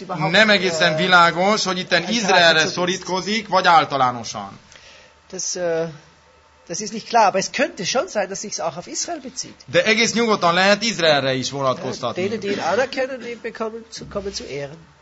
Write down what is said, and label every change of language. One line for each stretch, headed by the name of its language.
Hungarian: Nem egészen világos, hogy itten Izraelre szorítkozik, vagy általánosan.
German: Das ist nicht klar, aber es könnte schon sein, dass sich's auch auf Israel bezieht.
Hungarian: De egész nyugodtan lehet Izraelre is vonatkoztatni.
German: Denen, die ihn anerkennen, die bekommen kommen zu Ehren.